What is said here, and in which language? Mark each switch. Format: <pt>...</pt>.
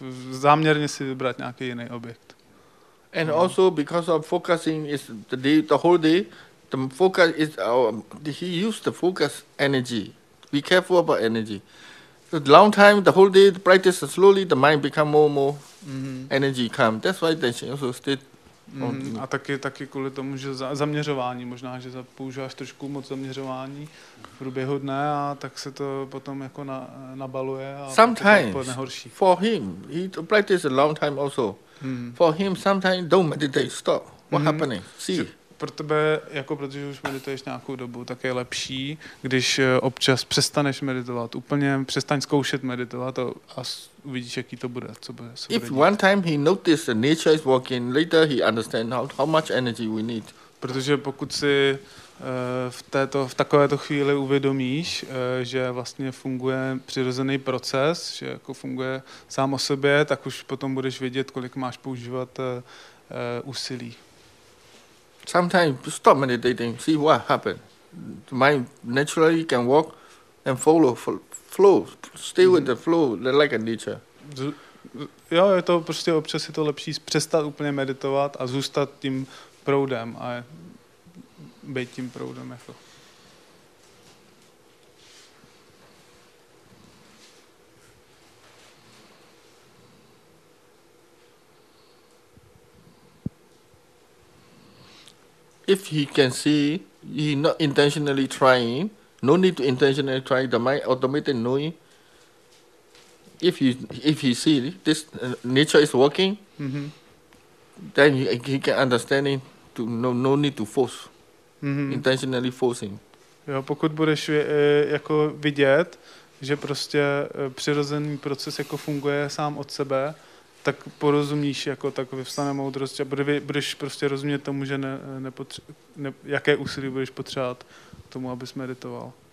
<cs>Záměrně si vybrat nějaký jiný objekt.</cs> <en>And also because of focusing is the whole day, the focus is he used the focus energy. Be careful about energy. The long time, the whole day, the practice slowly, the mind become more energy calm. That's why they should also stay.</en> <cs>A taky kvůli tomu, že zaměřování, možná, že používáš trošku moc zaměřování v průběhu dne a tak se to potom jako nabaluje a</cs> <en>sometimes,</en> <cs>to je nejhorší.</cs> <en>For him, he practice a long time also. For him, sometimes don't meditate, stop. What happening? See.</en> <cs>Pro tebe, jako protože už medituješ nějakou dobu, tak je lepší, když občas přestaneš meditovat. Úplně přestaň zkoušet meditovat a uvidíš, jaký to bude.</cs> <en>If one time he noticed the nature is walking, later he understand how much energy we need.</en> <cs>Protože pokud si v takovéto chvíli uvědomíš, že vlastně funguje přirozený proces, že jako funguje sám o sobě, tak už potom budeš vědět, kolik máš používat úsilí.</cs> <en>Sometimes stop meditating, see what happens. My naturally can walk and follow flow, stay with the flow like a nature.</en> <cs>Jo, je to prostě občas je to lepší přestat úplně meditovat a zůstat tím proudem a být tím proudem jako.</cs> <en>If he can see, he not intentionally trying, no need to intentionally try, the mind automatically knowing. If he see this nature is working, then he can understand it, to no need to force, intentionally forcing.</en> <cs>Jo, pokud budeš jako vidět, že prostě přirozený proces jako funguje sám od sebe, tak porozumíš jako tak vyvstane moudrost a budeš prostě rozumět tomu, že jaké úsilí budeš potřebovat k tomu, abys meditoval.</cs>